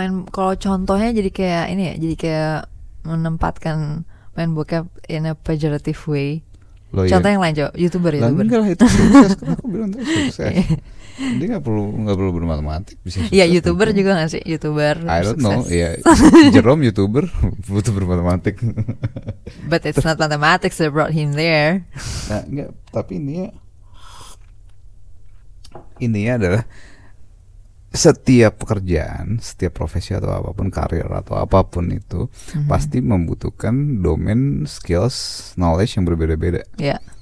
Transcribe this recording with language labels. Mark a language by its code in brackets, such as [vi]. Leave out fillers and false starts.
[id] Kalau contohnya jadi kayak ini ya, jadi kayak menempatkan main bokep [en] in a pejorative way. [id] Loh, contoh yang lain, YouTuber. Enggak lah, itu sukses. Kenapa aku bilang itu sukses? Dia enggak perlu bermatematik bisa sukses. Iya, YouTuber juga enggak sih? YouTuber. [en] I don't know. [id] Iya. Jerome YouTuber butuh bermatematik. [en] But it's not mathematics that brought him there. [id] Nah, enggak, tapi ini ya adalah setiap pekerjaan, setiap profesi atau apapun, karir atau apapun itu pasti membutuhkan domain, skills, knowledge yang berbeda-beda. Iya. Yeah.